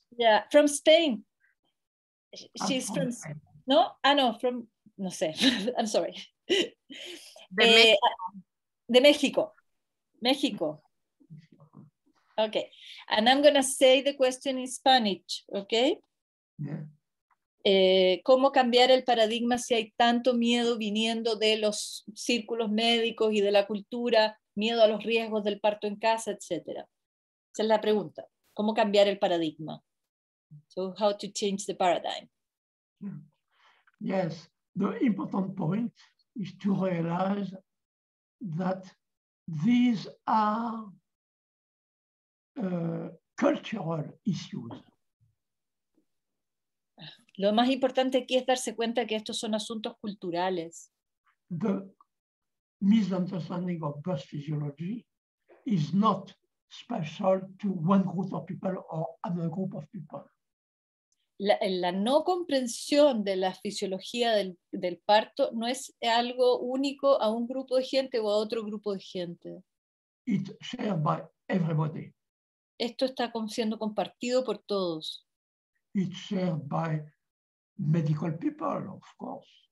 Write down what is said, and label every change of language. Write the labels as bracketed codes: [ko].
[en] Yeah, from Spain. She's from Spain. No? Ah, no, from, [es] no sé, [en] I'm sorry. [es] De Mexico. Mexico. [en] Okay, and I'm going to say the question in Spanish, okay? Yeah. [es] ¿Cómo cambiar el paradigma si hay tanto miedo viniendo de los círculos médicos y de la cultura, miedo a los riesgos del parto en casa, etcétera? Esa es la pregunta. ¿Cómo cambiar el paradigma? [en] So, how to change the paradigm? Yes, the important point is to realize that these are cultural issues. [es] Lo más importante aquí es darse cuenta que estos son asuntos culturales. [en] The misunderstanding of birth physiology is not special to one group of people or another group of people. [es] La no comprensión de la fisiología del parto no es algo único a un grupo de gente o a otro grupo de gente. [en] It's shared by everybody. [es] Esto está siendo compartido por todos. [en] It's shared by medical people, of course.